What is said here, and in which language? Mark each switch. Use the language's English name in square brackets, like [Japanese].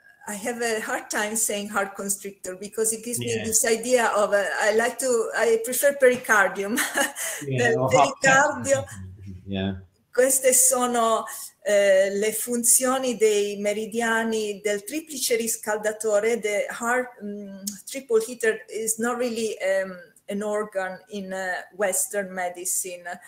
[English] I have a hard time saying heart constrictor because it gives me this idea of I prefer pericardium. Pericardium. [Italian] Queste sono le funzioni dei meridiani del triplice riscaldatore. [English] The heart triple heater is not really an organ in Western medicine.